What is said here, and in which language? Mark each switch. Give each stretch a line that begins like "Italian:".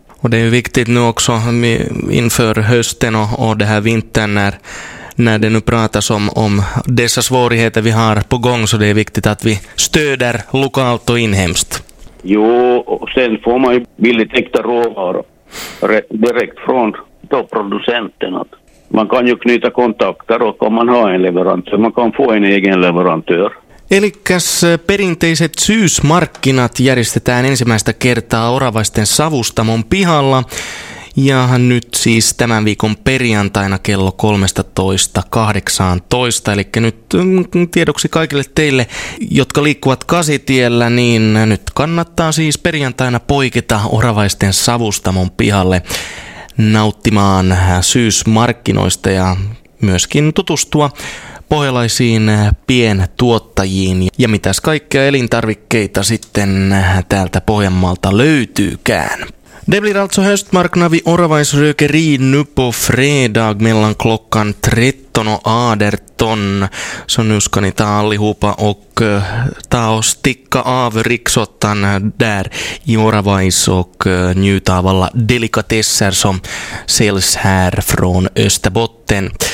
Swedish: Och det är viktigt nu också inför hösten och det här vintern när det nu pratas om dessa svårigheter vi har på gång, så det är viktigt att vi stöder lokalt och inhemskt. Jo, och sen får man ju billigt äkta råvaror direkt från då producenten. Man kan ju knyta kontakter och om man har en leverantör, man kan få en egen leverantör.
Finnish: Elikkäs perinteiset syysmarkkinat järjestetään ensimmäistä kertaa Oravaisten savustamon pihalla. Ja nyt siis tämän viikon perjantaina kello 13.18. Eli nyt tiedoksi kaikille teille, jotka liikkuvat Kasitiellä, niin nyt kannattaa siis perjantaina poiketa Oravaisten savustamon pihalle nauttimaan syysmarkkinoista ja myöskin tutustua pohjalaisiin pientuottajiin ja mitäs kaikkea elintarvikkeita sitten täältä Pohjanmaalta löytyykään.
Swedish: Det blir alltså höstmarknad vid Oravais rökeri nu på fredag mellan klockan 13 och 18. Så nu ska ni ta allihopa och ta och sticka av riksottan där i Oravais och njuta av alla delikatesser som säljs här från Österbotten.